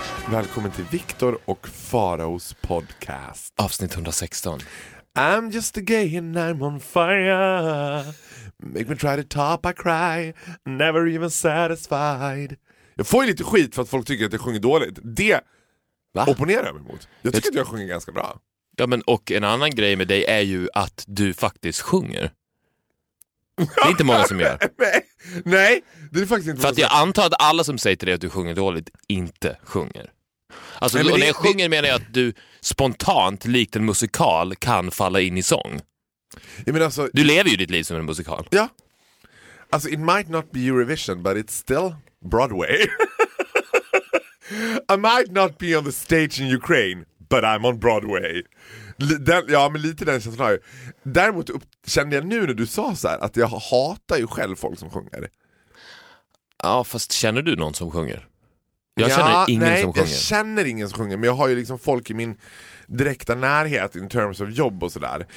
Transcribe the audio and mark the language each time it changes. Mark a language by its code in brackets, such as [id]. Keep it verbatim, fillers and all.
[sv] Välkommen till Victor och Pharaohs podcast. Avsnitt hundrasexton. [en] I'm just a gay and I'm on fire. Make me try to top, I cry. Never even satisfied. [sv] Jag får ju lite skit för att folk tycker att jag sjunger dåligt. Det Va? opponerar jag mig mot. Jag tycker jag... att jag sjunger ganska bra. Ja, men och en annan grej med dig är ju att du faktiskt sjunger. Det är inte många som gör. Nej, nej, det är faktiskt inte för att jag antar att alla som säger till dig att du sjunger dåligt inte sjunger. Alltså, Nej, och men när det- jag sjunger menar jag att du spontant, likt en musikal, kan falla in i sång. Jag menar alltså, Du lever ju ditt liv som en musikal. ja. [en] Alltså, it might not be Eurovision, but it's still Broadway. I might not be on the stage in Ukraine, but I'm on Broadway. [sv] Li- Den, ja, men lite den känslan har jag. Däremot upp, kände jag nu när du sa så här att jag hatar ju själv folk som sjunger. Ja, fast känner du någon som sjunger? Jag Ja, känner ingen nej, som sjunger. jag känner ingen som sjunger, men jag har ju liksom folk i min direkta närhet [en] in terms of [sv] jobb och sådär.